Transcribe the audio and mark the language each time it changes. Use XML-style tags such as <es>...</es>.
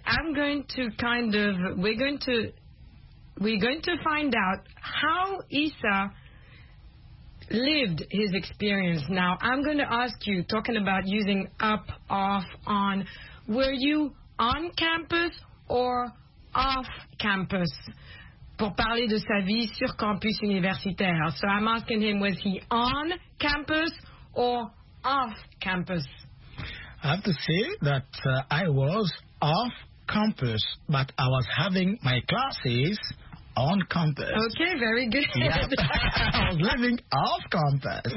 <en>I'm going to kind of, we're going to find out how Issa lived his experience. Now, I'm going to ask you, talking about using up, off, on, were you on campus or off campus?</en> <fr>Pour parler de sa vie sur campus universitaire.</fr> <en>So I'm asking him, was he on campus or off campus? I have to say that I was off campus, but I was having my classes on campus. Okay, very good. Yep. I was living off campus.</en>